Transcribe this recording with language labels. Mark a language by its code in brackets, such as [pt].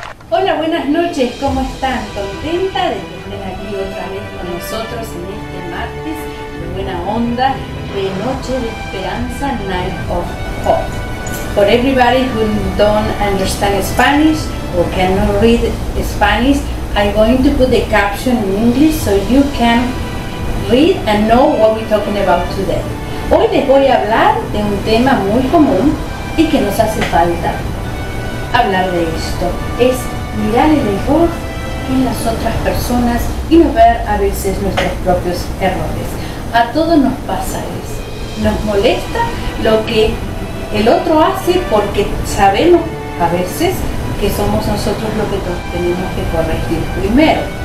[es] Hola, buenas noches, ¿cómo están? Contenta de tener aquí otra vez con nosotros en este martes de buena onda, de noche de esperanza, Night of Hope. [en] For everybody who don't understand Spanish or cannot read Spanish, I'm going to put the caption in English so you can read and know what we're talking about today. [es] Hoy les voy a hablar de un tema muy común y que nos hace falta hablar de esto. Es mirar el error en las otras personas y no ver a veces nuestros propios errores. A todos nos pasa eso. Nos molesta lo que el otro hace porque sabemos a veces que somos nosotros los que tenemos que corregir primero.